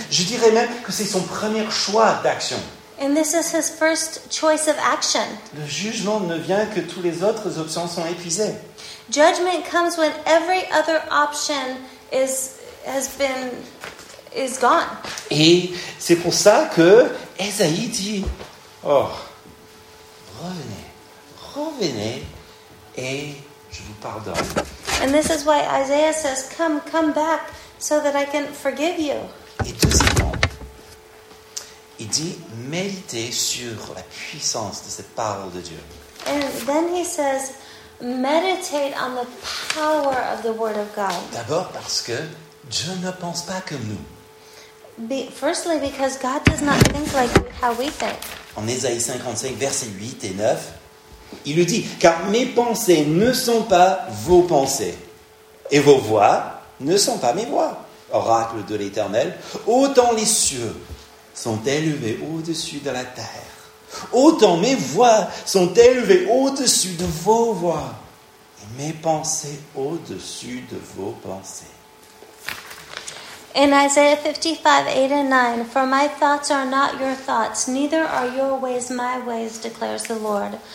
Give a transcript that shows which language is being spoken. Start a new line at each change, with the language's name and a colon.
French: Je dirais même que c'est son premier choix d'action.
English: And this is his first choice of action.
French: Le jugement ne vient que toutes les autres options sont épuisées.
English: Judgment comes when every other option has been is gone.
French: Et c'est pour ça que Esaïe dit, oh, revenez, revenez, et je vous pardonne.
English: And this is why Isaiah says, come, come back, so that I can forgive you.
French: Et deuxièmement, il dit, méditez sur la puissance de cette parole de Dieu.
English: And then he says, meditate on the power of the word of God.
French: D'abord parce que Dieu ne pense pas comme nous.
English: Firstly, because God does not think like how we think.
French: En Ésaïe 55, versets 8 et 9, il lui dit, car mes pensées ne sont pas vos pensées, et vos voix ne sont pas mes voix, oracle de l'Éternel. Autant les cieux sont élevés au-dessus de la terre, autant mes voix sont élevées au-dessus de vos voix, et mes pensées au-dessus de vos pensées.
English: In Isaiah 55, 8 and 9, for my thoughts are not your thoughts, neither are your ways my ways, declares the Lord.